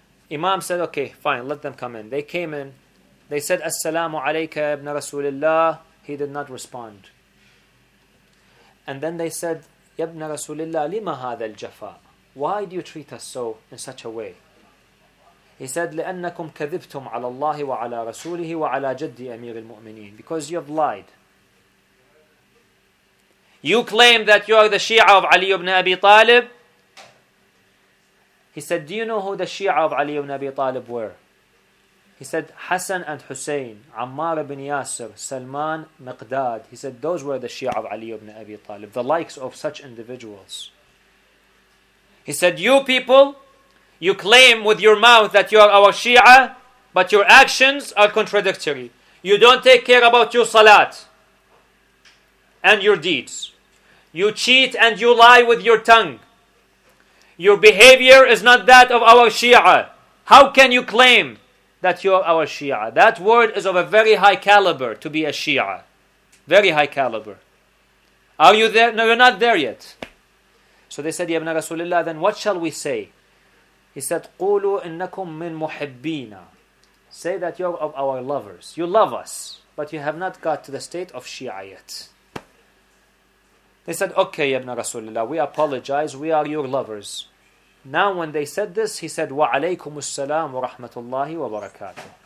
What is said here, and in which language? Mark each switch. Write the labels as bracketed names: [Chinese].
[English] Imam said, "Okay, fine, let them come in." They came in. They said, [Arabic] "Assalamu alayka ibn Rasulullah." [English] He did not respond. And then they said, [Arabic] "Ya ibn Rasulullah, lima hadha al-jafa? [English] Why do you treat us so, in such a way?" [Arabic] He said, "لأنكم كذبتم على الله وعلى رسوله وعلى جدي أمير المؤمنين." [English] Because you have lied. You claim that you are the Shia of Ali ibn Abi Talib. He said, "Do you know who the Shia of Ali ibn Abi Talib were?" He said Hassan and Hussein, Ammar ibn Yasir, Salman, Miqdad. He said those were the Shia of Ali ibn Abi Talib, the likes of such individuals. He said, you people, you claim with your mouth that you are our Shia, but your actions are contradictory. You don't take care about your salat and your deeds. You cheat and you lie with your tongue. Your behavior is not that of our Shia. How can you claim that you are our Shia? That word is of a very high caliber to be a Shia. Very high caliber. Are you there? No, you're not there yet. So they said, Ya Ibn Rasulullah, then what shall we say? [Arabic] He said, قُولُوا إِنَّكُمْ مِنْ مُحِبِّينَ. [English] Say that you're of our lovers. You love us, but you have not got to the state of Shia yet. They said, okay, Ya Ibn Rasulullah, we apologize, we are your lovers. [Arabic] Now when they said this, he said, وَعَلَيْكُمُ السَّلَامُ وَرَحْمَةُ اللَّهِ وَبَرَكَاتُهُ.